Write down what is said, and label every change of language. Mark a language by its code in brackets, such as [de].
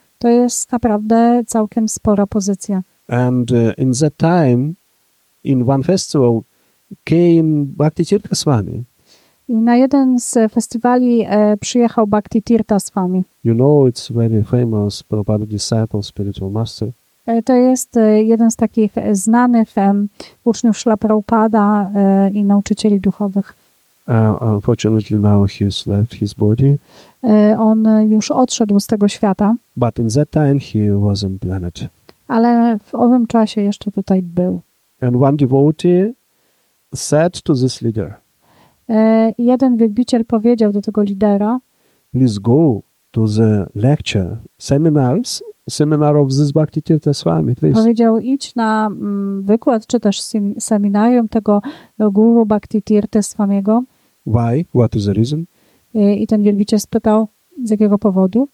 [pl] To jest naprawdę całkiem spora pozycja. [en] And in that time, in one festival, came Bhakti Tirtha Swami. [pl] I na jeden z festiwali przyjechał Bhakti Tirtha Swami. [en] You know, it's very famous Prabhupada disciple, spiritual master. [pl] To jest jeden z takich znanych uczniów Śrila Prabhupada i nauczycieli duchowych. [en] Unfortunately now he's left his body. [pl] On już odszedł z tego świata. [en] But in that time he was on planet. [pl] Ale w owym czasie jeszcze tutaj był. [en] And one devotee said to this leader. [pl] Jeden wielbiciel powiedział do tego lidera. [en] Please go to the lecture, seminar of this Bhakti Tirtha Swami. [pl] Powiedział, idź na wykład czy też seminarium tego guru Bhakti Tirtha Swamiego. [en] Why? What is the reason? [pl] I ten wielbiciel spytał, z jakiego powodu?